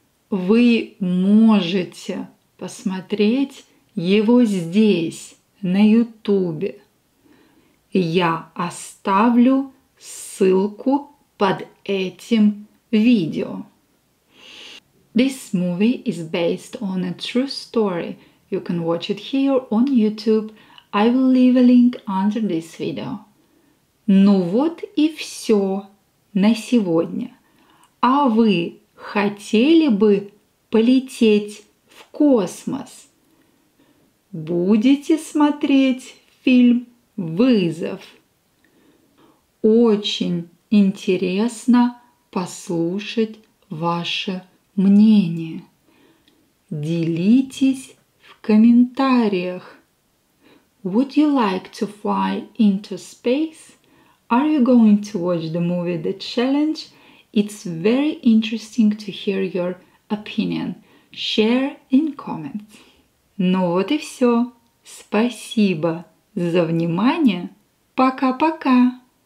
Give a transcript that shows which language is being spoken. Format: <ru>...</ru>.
<ru>Вы можете посмотреть его здесь, на YouTube. Я оставлю ссылку под этим видео.</ru> <en>This movie is based on a true story. You can watch it here on YouTube. I will leave a link under this video.</en> <ru>Ну вот и все на сегодня. А вы хотели бы полететь в космос? Будете смотреть фильм «Вызов»? Очень интересно послушать ваше мнение. Делитесь в комментариях.</ru> <en>Would you like to fly into space? Are you going to watch the movie The Challenge? It's very interesting to hear your opinion. Share in comments.</en> <ru>Ну вот и все. Спасибо за внимание. Пока-пока.</ru>